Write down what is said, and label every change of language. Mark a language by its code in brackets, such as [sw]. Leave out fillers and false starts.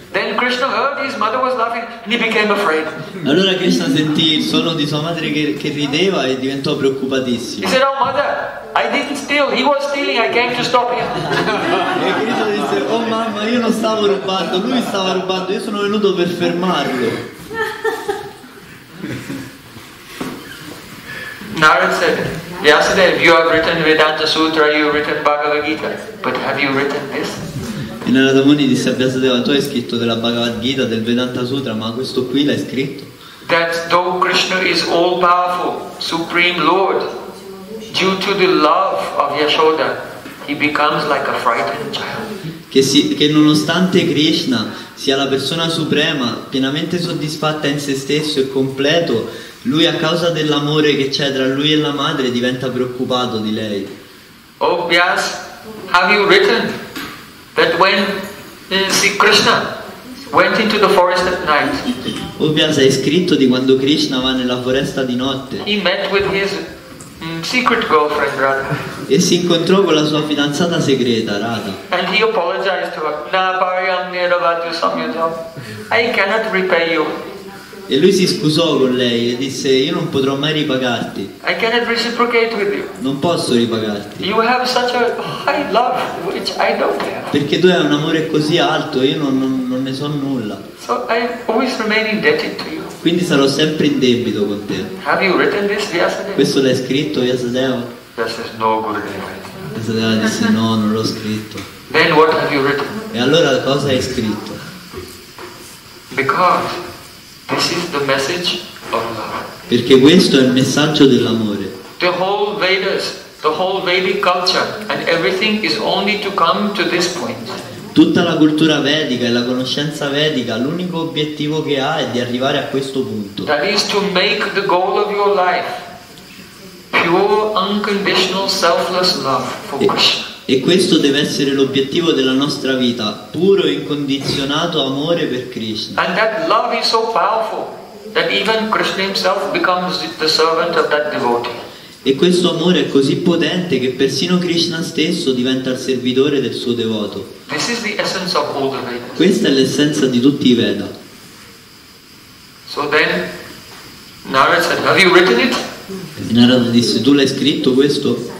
[en] Then Krishna heard his mother was laughing and he became afraid. [it] Allora Krishna sentì il suono di sua madre che rideva e diventò preoccupatissimo. [en] He said, "Oh mother, I didn't steal. He was stealing. I came to stop him." [it] E Krishna disse, "Oh mamma, io non stavo rubando. Lui stava rubando. Io sono venuto per fermarlo." [en] Narada said, "Vyasadev, you have written Vedanta Sutra. You have written Bhagavad Gita. But have you written this?" [it] E Narada Muni disse a Vyasadeva, tu hai scritto della Bhagavad Gita, del Vedanta Sutra, ma questo qui l'hai scritto? [en] That though Krishna is all powerful, supreme Lord, due to the love of Yashoda, he becomes like a frightened child. [it] Che nonostante Krishna sia la persona suprema, pienamente soddisfatta in se stesso e completo, lui a causa dell'amore che c'è tra lui e la madre diventa preoccupato di lei. [en] Oh Vyas, have you written that when Krishna went into the forest at night? [it] Ovviamente hai scritto di quando Krishna va nella foresta di notte. [en] He met with his secret girlfriend Radha. [it] E si incontrò con la sua fidanzata segreta Radha. [en] And he apologized to her. [sa] Na pariam nirvatu samyutam. [en] I cannot repay you. [it] E lui si scusò con lei e disse, io non potrò mai ripagarti. [en] I cannot reciprocate with you. [it] Non posso ripagarti. [en] You have such a high love, which I don't have. [it] Perché tu hai un amore così alto, io non ne so nulla. [en] So I always remain indebted to you. [it] Quindi sarò sempre in debito con te. [en] Have you written this, Vyasadeva? [it] Questo l'hai scritto, Vyasadeva? Vyasadeva Vyasadeva disse, no, non l'ho scritto. [en] Then what have you written? [it] E allora cosa hai scritto? [en] Because this is the message of love. [it] Perché questo è il messaggio dell'amore. [en] The whole Vedas, the whole Vedic culture and everything is only to come to this point. [it] Tutta la cultura vedica e la conoscenza vedica, l'unico obiettivo che ha è di arrivare a questo punto. [en] That is to make the goal of your life pure, unconditional, selfless love for Krishna. [it] E questo deve essere l'obiettivo della nostra vita, puro e incondizionato amore per Krishna. [en] And that love is so powerful that even Krishna himself becomes the servant of that devotee. [it] E questo amore è così potente che persino Krishna stesso diventa il servitore del suo devoto. [en] This is the essence of all the Vedas. [it] Questa è l'essenza di tutti i Veda. [en] So then Narada said, "Have you written it?" [it] E Narada disse, "Tu l'hai scritto questo?"